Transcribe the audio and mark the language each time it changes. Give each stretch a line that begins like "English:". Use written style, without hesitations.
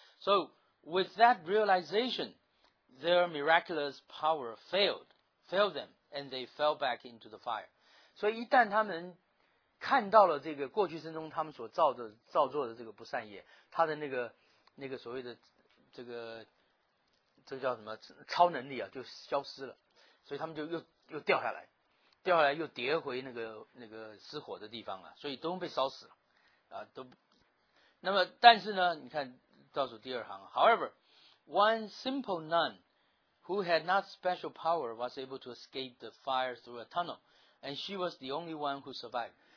English: So with that realization, their miraculous power failed them, and they fell back into the fire.
Chinese: 所以一旦他们看到了这个过去生中他们所造作的这个不善业，他的那个所谓的这个叫什么超能力啊，就消失了，所以他们就又掉下来，掉下来又跌回那个失火的地方了，所以都被烧死了啊，都。那么但是呢，你看倒数第二行
English: ，However, one simple nun who had not special power was able to escape the fire through a tunnel, and she was the only one who survived.